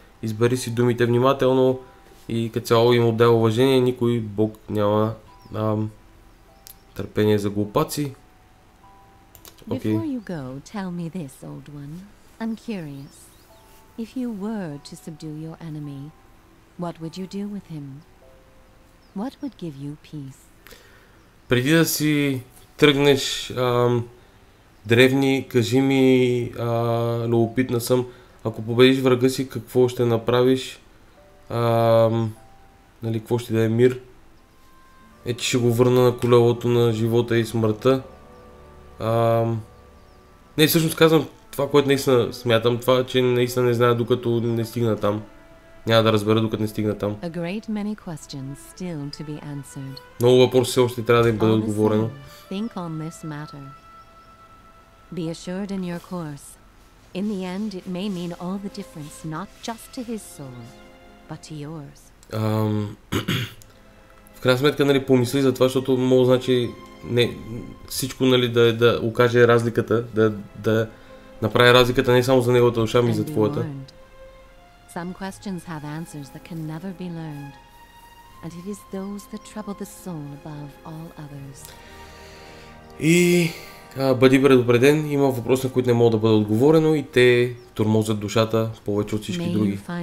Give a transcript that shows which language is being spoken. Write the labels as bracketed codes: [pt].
[bg] Избери си думите внимателно и като цяло им отдай уважение. Никой бог няма търпение за глупаци. [en] Before you go, tell me this, old one. I'm curious. If you were to subdue your enemy, what would you do with him? What would give you peace? [bg] Преди да си тръгнеш, древни, кажи ми, любопитна съм, ако победиш врага си, какво ще направиш? Нали, какво ще даде мир? Ето ще го върна на колелото на живота и смъртта. Не, всъщност казвам това, което наистина смятам, това, че наистина не знае, докато не стигна там. Няма да разбера, докато не стигна там. [en] A great many questions still to be answered. [bg] Много въпроси все още трябва да им бъде отговорено. [en] Think on this matter. Be assured in your course. In the end, it may mean all the difference, not just to his soul, but to yours. [bg] В крайна сметка, нали, помисли за това, защото мога значи не, всичко, нали, да окаже разликата, да направи разликата не само за неговата душа, ми и за твоята. [en] Some questions have answers that can never be learned, and it is those that trouble the soul above all others. [bg] И бъди предупреден, има въпроси, на които не могат да бъдат отговорено, и те тормозят душата повече от всички други.